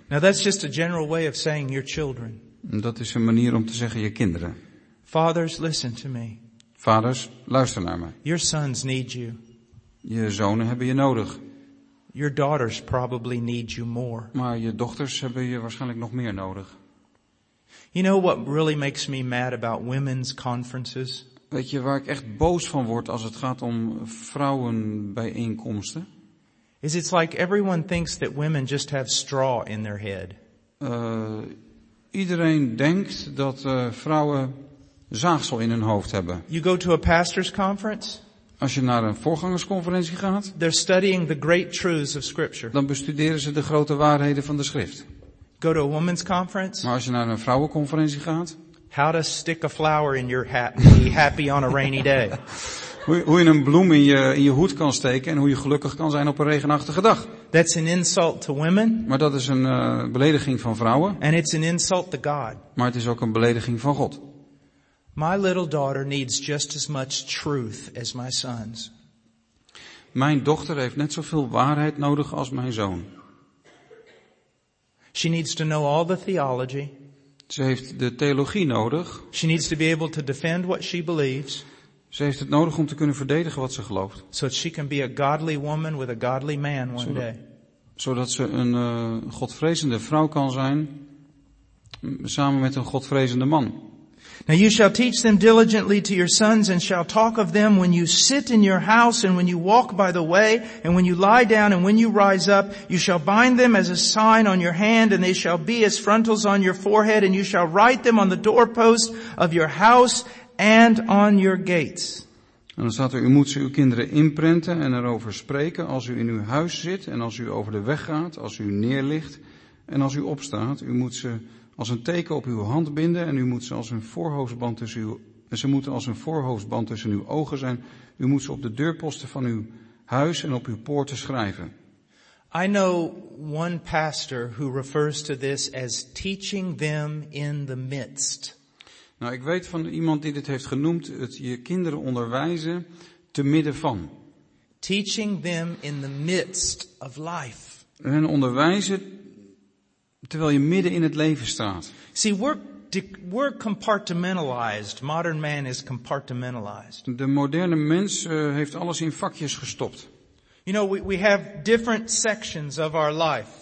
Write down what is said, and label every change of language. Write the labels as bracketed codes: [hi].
[en] Now that's just a general way of saying your children. [nl] Dat is een manier om te zeggen je kinderen. [en] Fathers, listen to me. [nl] Vaders, luister naar me. [en] Your sons need you. [nl] Je zonen hebben je nodig. [en] Your daughters probably need you more. [nl] Maar je dochters hebben je waarschijnlijk nog meer nodig. [en] You know what really makes me mad about women's conferences? [nl] Weet je waar ik echt boos van word als het gaat om vrouwenbijeenkomsten? [en] is it's like everyone thinks that women just have straw in their head. [nl] Iedereen denkt dat vrouwen zaagsel in hun hoofd hebben. [en] You go to a pastor's conference. [nl] Als je naar een voorgangersconferentie gaat. [en] They're studying the great truths of scripture. [nl] Dan bestuderen ze de grote waarheden van de schrift. [en] Go to a woman's conference. [nl] Maar als je naar een vrouwenconferentie gaat. [en] How to stick a flower in your hat and be happy on a rainy day. [nl] Hoe je een bloem in je hoed kan steken en hoe je gelukkig kan zijn op een regenachtige dag. [en] That's an insult to women. [nl] Maar dat is een belediging van vrouwen. [en] And it's an insult to God. [nl] Maar het is ook een belediging van God. [en] My little daughter needs just as much truth as my sons. [nl] Mijn dochter heeft net zoveel waarheid nodig als mijn zoon. [en] She needs to know all the theology. [nl] Ze heeft de theologie nodig. [en] She needs to be able to defend what she believes. [nl] Ze heeft het nodig om te kunnen verdedigen wat ze gelooft. [en] So that she can be a godly woman with a godly man one day. [nl] Zodat ze een godvrezende vrouw kan zijn samen met een godvrezende man. [en] Now you shall teach them diligently to your sons and shall talk of them when you sit in your house and when you walk by the way and when you lie down and when you rise up. You shall bind them as a sign on your hand and they shall be as frontals on your forehead and you shall write them on the doorpost of your house and on your gates. [nl] En dan staat er, u moet ze uw kinderen inprenten en erover spreken als u in uw huis zit en als u over de weg gaat, als u neerligt en als u opstaat. U moet ze als een teken op uw hand binden en u moet ze als een voorhoofdband tussen uw, ze moeten als een voorhoofdband tussen uw ogen zijn. U moet ze op de deurposten van uw huis en op uw poorten schrijven. [en] I know one pastor who refers to this as teaching them in the midst. [nl] Nou, ik weet van iemand die dit heeft genoemd, het je kinderen onderwijzen te midden van. [en] Teaching them in the midst of life. [nl] En onderwijzen terwijl je midden in het leven staat. [en] See, we're compartmentalized. Modern man is compartmentalized. [nl] De moderne mens heeft alles in vakjes gestopt. [en] You know, we have different sections of our life.